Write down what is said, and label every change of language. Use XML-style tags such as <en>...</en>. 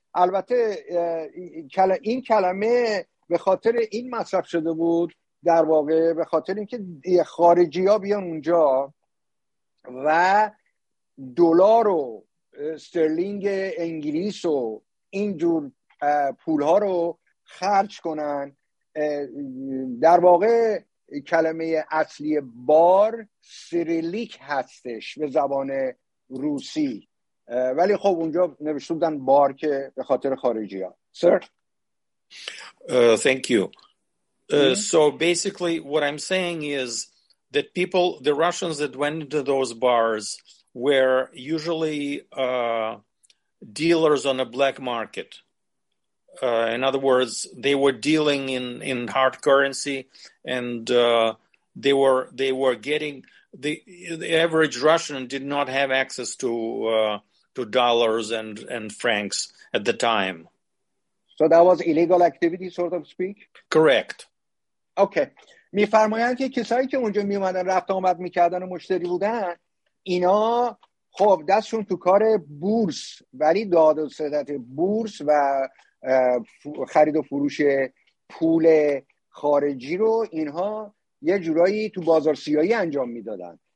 <fa>البته این کلمه به خاطر این مصرف شده بود در واقع به خاطر اینکه خارجی ها بیان اونجا و دلار و استرلینگ انگلیس و اینجور پول ها رو خرج کنن. در واقع کلمه اصلی بار سیریلیک هستش به زبان روسی ولی خب اونجا نوشته بودن بار که به خاطر خارجی ها.</fa> <en>Sir thank you so basically what I'm saying is that people, the Russians that went into those bars were usually dealers on a black market. In other words, they were dealing in hard currency, and they were getting the average Russian did not have access to dollars and francs at the time. So that was illegal activity, sort of speak. Correct. Okay.</en> <fa>می‌فرمایند که کسایی که اونجا می‌اومدن رفت آمد می‌کردن و مشتری بودن، اینا خب دستشون تو کار بورس، ولی داد و ستد بورس و خرید و فروش پول خارجی رو اینها یه جورایی تو بازار سیاهی انجام میدادن.</fa>